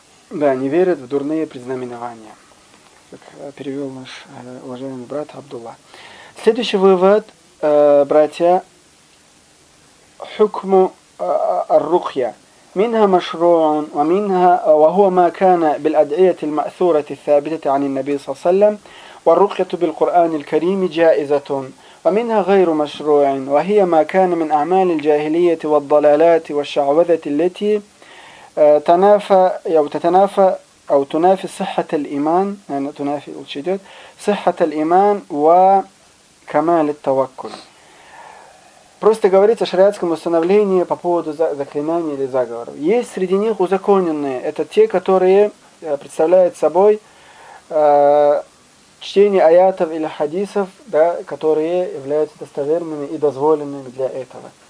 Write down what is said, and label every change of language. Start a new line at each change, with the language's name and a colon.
Russian: Да, не верят в дурные предзнаменования, как перевел наш уважаемый брат Абдулла. Следующий вывод, братья, хукму ар-рухья.
Arabic: منها مشروع ومنها وهو ما كان بالأدعية المأثورة الثابتة عن النبي صلى الله عليه وسلم والرقية بالقرآن الكريم جائزة ومنها غير مشروع وهي ما كان من أعمال الجاهلية والضلالات والشعوذة التي تنافى أو تتنافى أو تنافي صحة الإيمان يعني تنافي الشجد صحة الإيمان وكمال التوكل.
Russian: Просто говорится о шариатском установлении по поводу заклинаний или заговоров. Есть среди них узаконенные. Это те, которые представляют собой чтение аятов или хадисов, да, которые являются достоверными и дозволенными для этого.